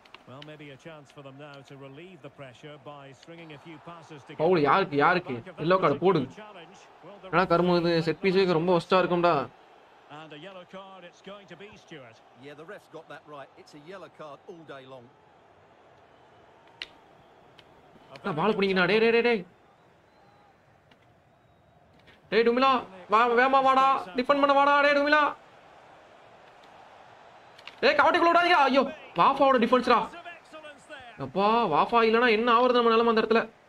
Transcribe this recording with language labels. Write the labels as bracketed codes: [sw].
[en] Well, maybe a chance for them now to relieve the pressure by stringing a few passes to Paul. [ta] யாருக்கு யாருக்கு yellow card போடு. அட கர்மு இது set பீஸ்க்கு ரொம்ப வஸ்டா இருக்கும்டா. [en] And a yellow card, it's going to be Stewart. Yeah, the ref's got that right. It's a yellow card all day long. [ta] அட பால் புடிங்கடா. டேய் டேய் டேய் டேய் டுமிலா, வா வேமா வாடா, டிஃபண்ட் பண்ண வாடா. டேய் டுமிலா, டேய் கவட்டி குளோ விடாதீங்க. ஐயோ, வாஃபாவோட டிஃபென்ஸ்ரா. அப்பா, வாஃபா இல்லனா என்ன ஆவறது நம்ம நிலமை அந்த இடத்துல.